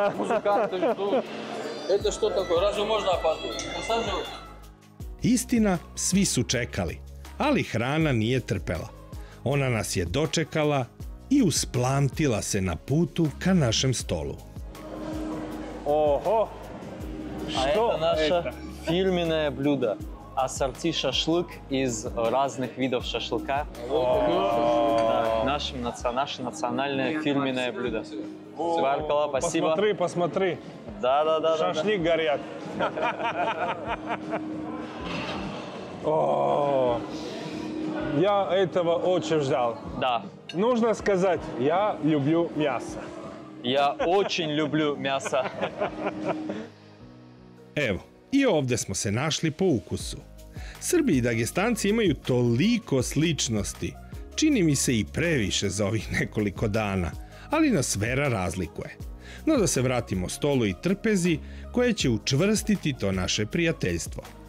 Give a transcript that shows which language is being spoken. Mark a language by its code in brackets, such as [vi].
[ru] Музыканты ждут. Это что такое? Разве можно опаздывать? Посаживай. [sr] Истина, сви су чекали, али храна није трпела. Она нас је дочекала и усплантила се на путу ка нашем столу. [ru] Ого! Што? А это наше фирменное блюдо. Ассорти шашлык из разных видов шашлыка. Наше национальное фирменное блюдо. Сваркала, спасибо. Посмотри, посмотри. Да, да, да. Шашлык горят. Я этого очень ждал. Да. Нужно сказать, я люблю мясо. Я очень люблю мясо. [sr] Эво, и овде смо се нашли по укусу. Srbi i Dagestanci imaju toliko sličnosti, čini mi se i previše za ovih nekoliko dana, ali nas vera razlikuje. No da se vratimo stolu i trpezi koje će učvrstiti to naše prijateljstvo.